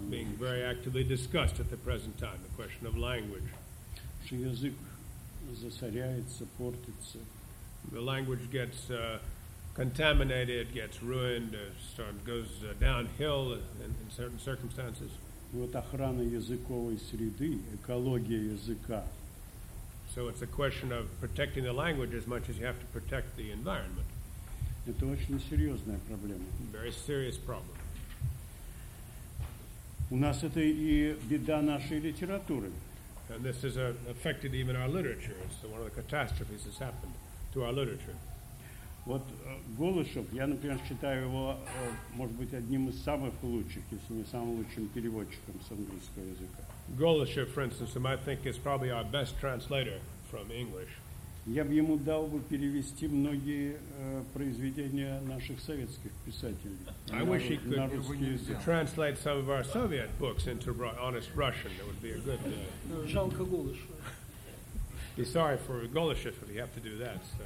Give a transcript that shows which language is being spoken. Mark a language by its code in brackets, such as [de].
[en] Being very actively discussed at the present time, the question of language. [ru] Что язык засоряется, портится. [en] The language gets contaminated, gets ruined, goes downhill in certain circumstances. [ru] Вот охрана языковой среды, экология языка. [en] So it's a question of protecting the language as much as you have to protect the environment. [ru] Это очень серьезная проблема. [en] Very serious problem. [ru] У нас это и беда нашей литературы. [en] And this has affected even our literature. It's one of the catastrophes that's happened to our literature. [ru] Вот Голышев, я, например, считаю его, может быть, одним из самых лучших, если не самым лучшим переводчиком с английского языка. [en] Golishev, for instance, I think is probably our best translator from English. [ru] Я бы ему дал бы перевести многие произведения наших советских писателей. [en] I wish he could translate some of our Soviet books into honest Russian. That would be a good thing. [ru] Жалко Голышева. [en] He's sorry for Golishev if he have to do that.